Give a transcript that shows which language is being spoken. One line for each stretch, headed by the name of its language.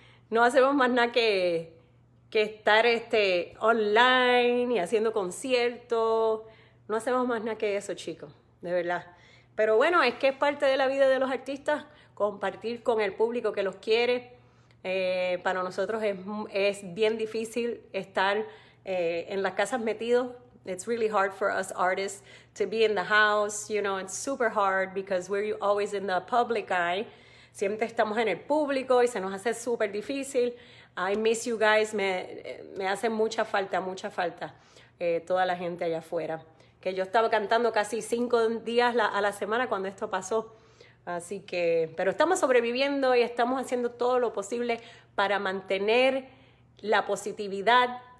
Spanish: No hacemos más nada que estar online y haciendo conciertos. No hacemos más nada que eso, chicos, de verdad. Pero bueno, es que es parte de la vida de los artistas compartir con el público que los quiere. Para nosotros es bien difícil estar en las casas metidos.
English: It's really hard for us artists to be in the house. You know, it's super hard because we're always in the public eye.
Spanish: Siempre estamos en el público y se nos hace súper difícil.
English: I miss you guys.
Spanish: Me hace mucha falta, mucha falta. Toda la gente allá afuera. Que yo estaba cantando casi 5 días a la semana cuando esto pasó. Así que, pero estamos sobreviviendo y estamos haciendo todo lo posible para mantener la positividad.